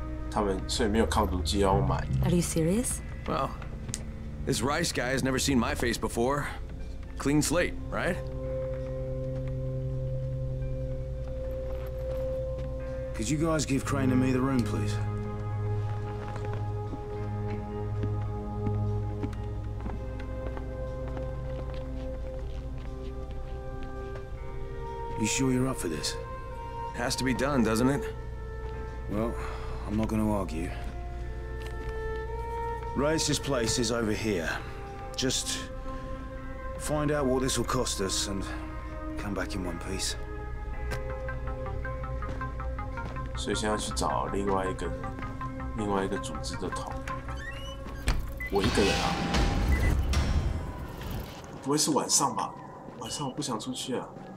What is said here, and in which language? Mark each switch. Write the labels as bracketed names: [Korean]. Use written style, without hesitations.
[Chinese] 他们所以没有抗毒剂要买。 [English] Are you serious? Well, this Ryze guy has never seen my face before. clean slate, right? Could you guys give Crane and me the room, please? You sure you're up for this? It has to be done, doesn't it? Well, I'm not going to argue. Reyes's place is over here. Just find out what this will cost us and come back in one piece. [Chinese] 所以现在去找另外一个组织的头。我一个人啊？不会是晚上吧？晚上我不想出去啊。